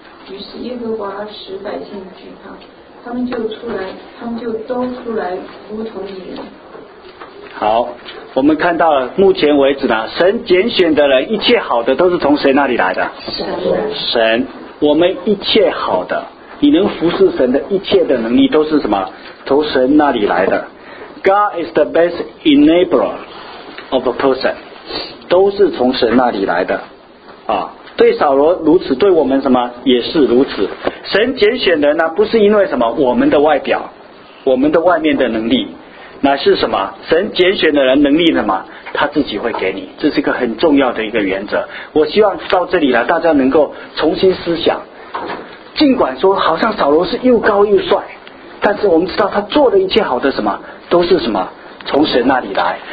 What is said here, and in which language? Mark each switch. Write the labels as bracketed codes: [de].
[zh] 于是耶和华使百姓惧怕，他们就都出来如同一人。好，我们看到了目前为止呢，神拣选的人一切好的都是从谁那里来的？神。我们一切好的，你能服侍神的一切的能力都是什么？从神那里来的。 [en] God is the best enabler of a person， [zh] 都是从神那里来的啊。对扫罗如此，对我们什么也是如此。神拣选人呢，不是因为什么我们的外表，我们的外面的能力，乃是什么？神拣选的人能力什么？他自己会给你，这是一个很重要的一个原则。我希望到这里来，大家能够重新思想。尽管说好像扫罗是又高又帅，但是我们知道他做的一切好的什么，都是什么？从神那里来。